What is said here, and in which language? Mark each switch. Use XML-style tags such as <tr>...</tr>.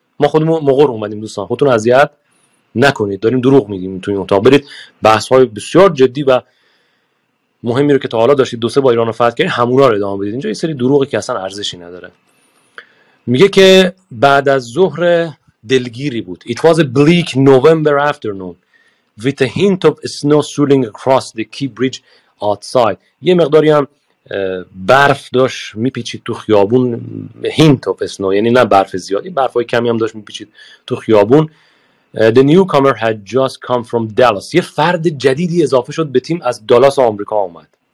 <fa>ما خودمون مغر اومدیم دوستان، خودتون اذیت نکنید، داریم دروغ میگیم توی این اتاق. برید بحث های بسیار جدی و مهمی رو که تا حالا داشتید دو سه با ایران رو فتح کردید همونا رو ادامه بدید. اینجا یه سری دروغی که اصلا ارزشی نداره. میگه که بعد از ظهر دلگیری بود.</fa> <en>It was a bleak November afternoon with a hint of snow sailing across the key bridge outside.</en> <fa>یه مقداری هم برف داشت میپیچید تو خیابون. hint of snow یعنی نه برف زیادی، برفای کمی هم داشت میپیچید تو خیابون.</fa> <en>The newcomer had just come from Dallas.</en> <fa>یه فرد جدیدی اضافه شد به تیم، از دالاس آمریکا اومد.</fa>